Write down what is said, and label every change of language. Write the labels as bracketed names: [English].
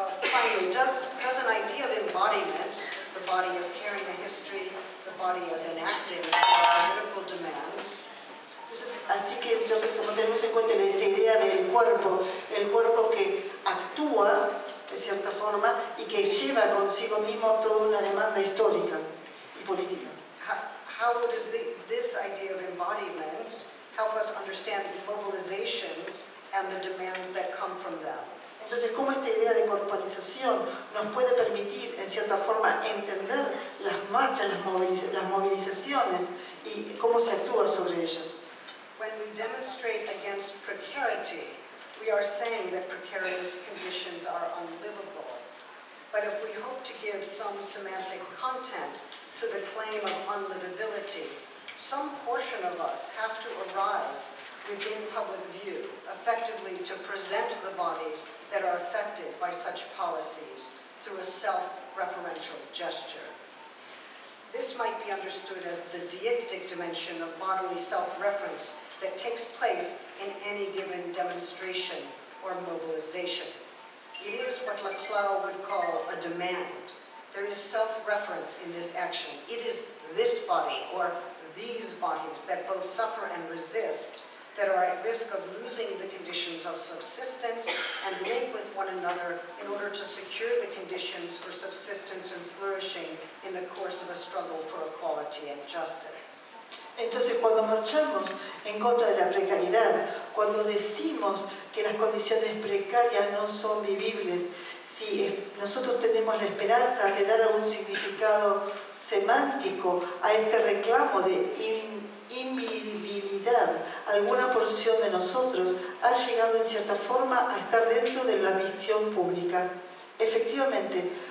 [English] Finally, does an idea of embodiment, the body as carrying a history, the body as enacting political demands? [Spanish] Así que entonces, como tenemos en cuenta esta idea del cuerpo, el cuerpo que actúa de cierta forma y que lleva consigo mismo toda una demanda histórica y política. [English] How does this idea of embodiment help us understand mobilizations and the demands that come from them? [Spanish] Entonces, ¿cómo esta idea de corporización nos puede permitir, en cierta forma, entender las marchas, las movilizaciones y cómo se actúa sobre ellas? [English] When we demonstrate against precarity, we are saying that precarious conditions are unlivable. But if we hope to give some semantic content to the claim of unlivability, some portion of us have to arrive within public view, effectively to present the bodies that are affected by such policies through a self-referential gesture. This might be understood as the deictic dimension of bodily self-reference that takes place in any given demonstration or mobilization. It is what Laclau would call a demand. There is self-reference in this action. It is this body or these bodies that both suffer and resist that are at risk of losing the conditions of subsistence and link with one another in order to secure the conditions for subsistence and flourishing in the course of a struggle for equality and justice. [Spanish] Entonces, cuando marchamos en contra de la precariedad, cuando decimos que las condiciones precarias no son vivibles, si nosotros tenemos la esperanza de dar algún significado semántico a este reclamo de invivibilidad, alguna porción de nosotros ha llegado en cierta forma a estar dentro de la misión pública. Efectivamente,